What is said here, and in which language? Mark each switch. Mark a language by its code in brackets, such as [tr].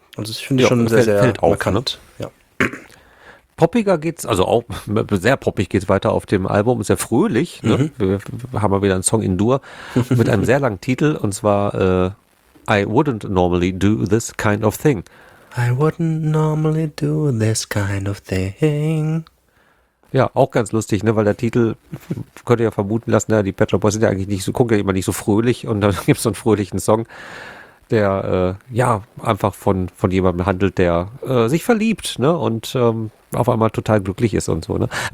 [de] Also ich finde schon sehr bekannt. Auf, ne? Ja. Poppiger geht's, also auch sehr poppig geht's weiter auf dem Album, sehr fröhlich. Ne? Mhm. Wir haben mal wieder einen Song in Dur mit einem sehr langen Titel und zwar I wouldn't normally do this kind of thing. [en] I wouldn't normally do this kind of thing. [de] Ja, auch ganz lustig, ne, weil der Titel könnte ja vermuten lassen, ne, die Pet Shop Boys sind ja eigentlich nicht so, gucken ja immer nicht so fröhlich und dann gibt es so einen fröhlichen Song, der einfach von jemandem handelt, der sich verliebt, ne, und auf einmal total glücklich ist und so. Ne.